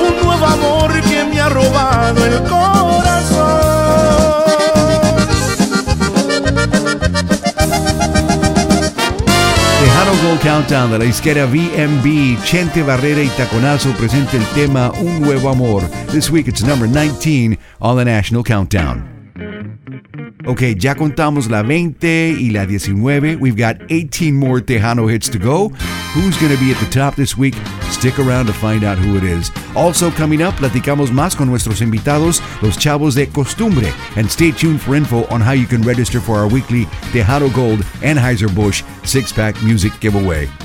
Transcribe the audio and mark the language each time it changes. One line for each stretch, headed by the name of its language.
Spanish: Un nuevo amor que me ha robado el corazón. Tejano Gold Countdown de la disquera VMB. Chente Barrera y Taconazo presenta el tema Un Nuevo Amor.
English: This week it's number 19 on the National Countdown.
Spanish: Ok, ya contamos la 20 y la 19.
English: We've got 18 more Tejano hits to go. Who's going to be at the top this week? Stick around to find out who it is. Also coming up,
Spanish: platicamos más con nuestros invitados, los chavos de Costumbre.
English: And stay tuned for info on how you can register for our weekly Tejano Gold Anheuser-Busch six-pack music giveaway.